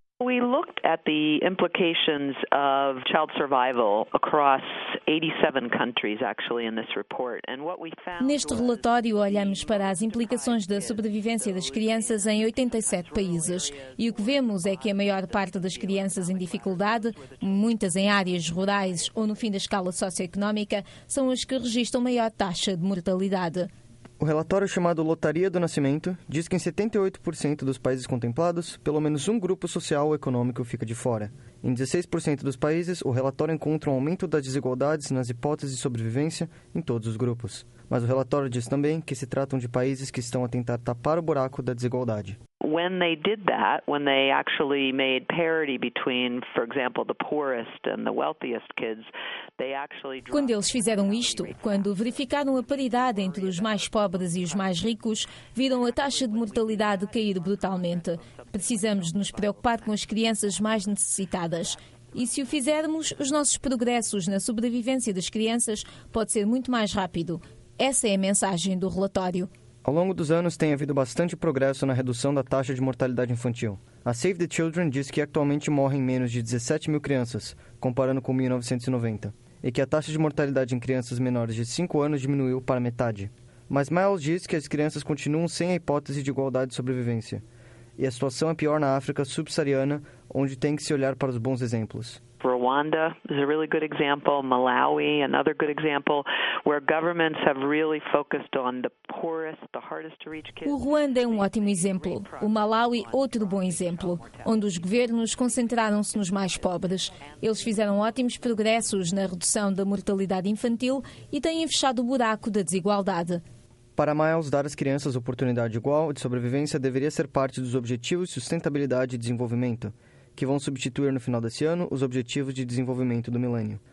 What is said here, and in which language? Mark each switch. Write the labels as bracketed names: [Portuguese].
[English] We looked at the implications of child survival across 87 countries, actually, in this report. And what we found. [Portuguese] Neste relatório, olhamos para as implicações da sobrevivência das crianças em 87 países. E o que vemos é que a maior parte das crianças em dificuldade, muitas em áreas rurais ou no fim da escala socioeconómica, são as que registram maior taxa de mortalidade. O relatório chamado Lotaria do Nascimento diz que em 78% dos países contemplados, pelo menos um grupo social ou econômico fica de fora. Em 16% dos países, o relatório encontra um aumento das desigualdades nas hipóteses de sobrevivência em todos os grupos. Mas o relatório diz também que se tratam de países que estão a tentar tapar o buraco da desigualdade. [English] When they did that, when they actually made parity between, for example, the poorest and the wealthiest kids, they actually. [Portuguese] Quando eles fizeram isto, quando verificaram a paridade entre os mais pobres e os mais ricos, viram a taxa de mortalidade cair brutalmente. Precisamos nos preocupar com as crianças mais necessitadas. E se o fizermos, os nossos progressos na sobrevivência das crianças pode ser muito mais rápido. Essa é a mensagem do relatório. Ao longo dos anos, tem havido bastante progresso na redução da taxa de mortalidade infantil. A Save the Children diz que atualmente morrem menos de 17 mil crianças, comparando com 1990, e que a taxa de mortalidade em crianças menores de 5 anos diminuiu para metade. Mas Miles diz que as crianças continuam sem a hipótese de igualdade de sobrevivência, e a situação é pior na África subsaariana, onde tem que se olhar para os bons exemplos. [English] Rwanda is a really good example, Malawi another good example, where governments have really focused on the poorest, the hardest to reach kids. [Portuguese] O Ruanda é um ótimo exemplo, o Malawi outro bom exemplo, onde os governos concentraram-se nos mais pobres. Eles fizeram ótimos progressos na redução da mortalidade infantil e têm fechado o buraco da desigualdade. Para Miles, dar às crianças oportunidade igual de sobrevivência deveria ser parte dos objetivos de sustentabilidade e desenvolvimento, que vão substituir no final desse ano os Objetivos de Desenvolvimento do Milênio.